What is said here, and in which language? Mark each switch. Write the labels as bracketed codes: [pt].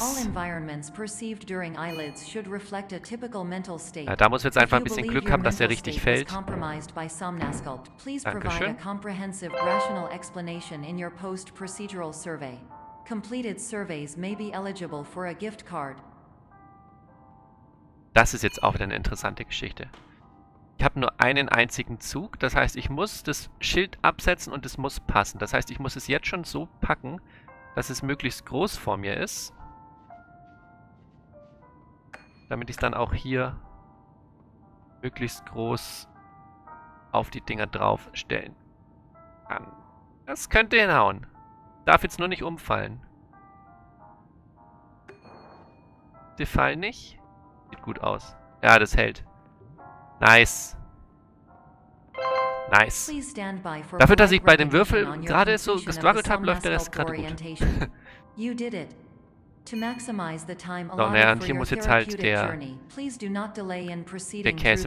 [en] All environments perceived during eyelids should reflect a typical mental state. [de] Ja, da muss jetzt einfach ein bisschen Glück haben, dass er richtig fällt. Dankeschön. [en] Please provide a comprehensive rational explanation in your post-procedural survey. Completed surveys may be eligible for a gift card. [de] Das ist jetzt auch wieder eine interessante Geschichte. Ich habe nur einen einzigen Zug, das heißt, ich muss das Schild absetzen und es muss passen. Das heißt, ich muss es jetzt schon so packen, dass es möglichst groß vor mir ist. Damit ich es dann auch hier möglichst groß auf die Dinger draufstellen kann. Das könnte hinhauen. Darf jetzt nur nicht umfallen. Die fallen nicht. Sieht gut aus. Ja, das hält. Nice. Nice. Dafür, dass ich bei dem Würfel gerade so gestruggelt habe, läuft der Rest gerade gut. [en] You did it. To maximize the time allowed for your therapeutic journey, please do not delay in proceeding through the final doorway as indicated.